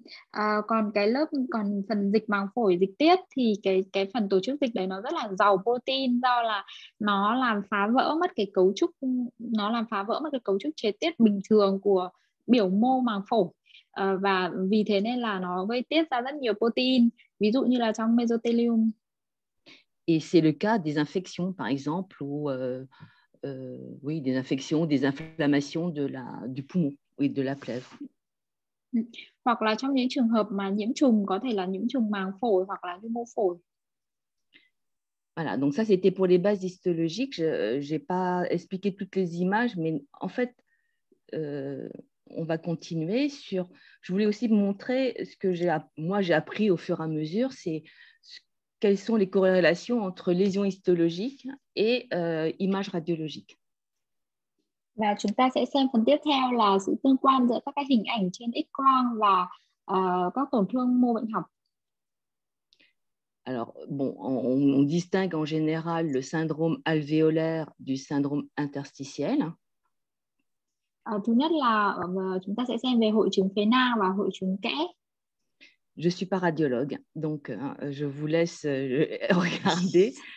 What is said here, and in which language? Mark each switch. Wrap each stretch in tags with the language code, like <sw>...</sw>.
<vi>À, còn cái lớp còn phần dịch màng phổi dịch tiết thì cái phần tổ chức dịch đấy nó rất là giàu protein, do là nó làm phá vỡ mất cái cấu trúc chế tiết bình thường của biểu mô màng phổi, và vì thế nên là nó gây tiết ra rất nhiều protein, ví dụ như là trong mesothelium.</vi> <fr>Et c'est le cas des infections, par exemple, des infections, des inflammations du poumon et de la plèvre.</fr> <vi>Hoặc là trong những trường hợp mà nhiễm trùng, có thể là nhiễm trùng màng phổi hoặc là nhu mô phổi.</vi> <fr>Voilà, donc ça c'était pour les bases histologiques. Je n'ai pas expliqué toutes les images, mais en fait, on va continuer sur. Je voulais aussi montrer ce que moi j'ai appris au fur et à mesure, c'est. Quelles sont les corrélations entre lésions histologiques et images radiologiques?</fr> <vi>Và chúng ta sẽ xem phần tiếp theo là sự tương quan giữa các cái hình ảnh trên X-quang và các tổn thương mô bệnh học.</vi> <fr>Alors, on distingue en général le syndrome alvéolaire du syndrome interstitiel.</fr> <vi>Thứ nhất là chúng ta sẽ xem về hội chứng phế nang và hội chứng kẽ.</vi> <fr>Je ne suis pas radiologue, donc je vous laisse regarder.</fr>